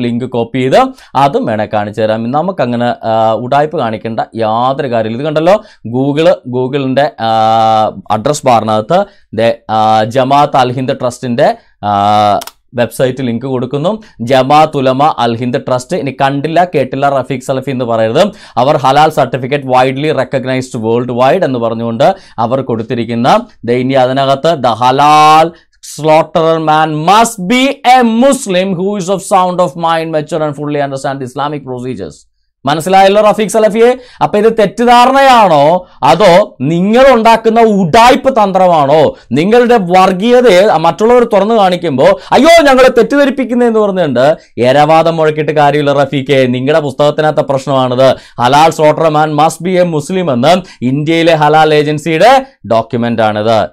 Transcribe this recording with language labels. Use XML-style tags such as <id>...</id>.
<ml>Link copy ചെയ്ത് അതും വേണേ കാണിച്ചു തരാം. നമുക്ക് അങ്ങനെ ഉടായ്പ് കാണിക്കേണ്ട യാതൊരു കാര്യമില്ല. ഇത് കണ്ടല്ലോ ഗൂഗിളിന്റെ അഡ്രസ് ബാറിനകത്ത് ജമാഅത്ത് അൽ ഹിന്ദ് ട്രസ്റ്റിന്റെ വെബ്സൈറ്റ് ലിങ്ക് കൊടുക്കുന്നു. ജമാഅത്ത് ഉലമ അൽ ഹിന്ദ് ട്രസ്റ്റ്, ഇനി കണ്ടില്ല കേട്ടില്ല റഫീഖ് സലഫി എന്ന് പറയരുത്. അവർ ഹലാൽ certificate widely recognised world wide എന്ന് പറഞ്ഞുകൊണ്ട് അവർ കൊടുത്തിരിക്കുന്ന ദൈനി അതിനകത്ത്</ml> <en>ദ ഹലാൽ slaughterer man must be a Muslim who is of sound of mind, mature and fully understand Islamic procedures.</en> <ml>മനസ്സിലായല്ലോ റഫീഖ് സലഫിയെ. അപ്പൊ ഇത് തെറ്റിദ്ധാരണയാണോ അതോ നിങ്ങൾ ഉണ്ടാക്കുന്ന ഉടായ്പ് തന്ത്രമാണോ? നിങ്ങളുടെ വർഗീയതയെ മറ്റുള്ളവർ തുറന്നു കാണിക്കുമ്പോൾ അയ്യോ ഞങ്ങളെ തെറ്റിദ്ധരിപ്പിക്കുന്നു എന്ന് പറഞ്ഞുകൊണ്ട് എരവാദം മുഴക്കിട്ട് കാര്യമില്ല റഫീഖെ. നിങ്ങളുടെ പുസ്തകത്തിനകത്ത പ്രശ്നമാണിത്.</ml> <en>halal slaughter man must be a Muslim</en> <ml>എന്ന് ഇന്ത്യയിലെ ഹലാൽ ഏജൻസിയുടെ ഡോക്യുമെന്റ് ആണിത്.</ml>